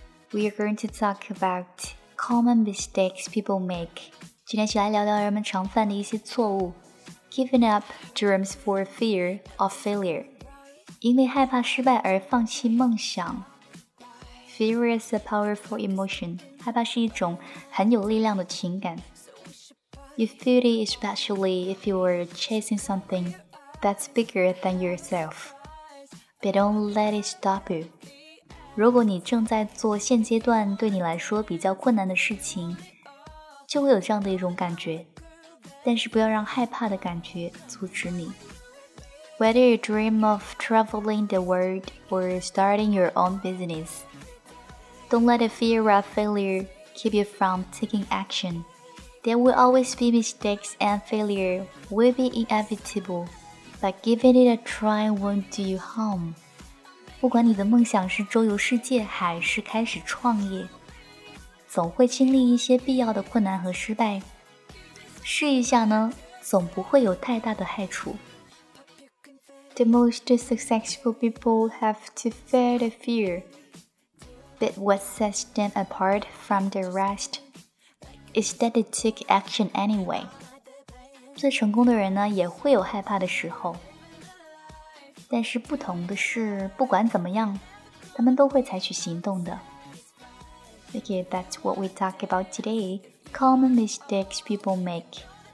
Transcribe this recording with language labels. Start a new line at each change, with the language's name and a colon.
English: We are going to talk about common mistakes people make.
Chinese: 今天起来聊聊人们常犯的一些错误。
English: Giving up dreams for fear of failure.
Chinese: 因为害怕失败而放弃梦想。
English: Fear is a powerful emotion.
Chinese: 害怕是一种很有力量的情感。
English: You feel it especially if you are chasing something. That's bigger than yourself. But don't let it stop you.
Chinese: 如果你正在做现阶段对你来说比较困难的事情，就会有这样的一种感觉。但是不要让害怕的感觉阻止你。
English: Whether you dream of traveling the world or starting your own business, don't let the fear of failure keep you from taking action. There will always be mistakes and failure will be inevitable. But giving it a try won't do you harm.
Chinese: 不管你的梦想是周游世界还是开始创业，总会经历一些必要的困难和失败。试一下呢，总不会有太大的害处。
English: The most successful people have to fear the fear. But what sets them apart from the rest is that they take action anyway.
Chinese: 最成功的人呢，也会有害怕的时候。但是不同的是，不管怎么样，他们都会采取行动的。
English: Okay, that's what we talk about today. Common mistakes people make.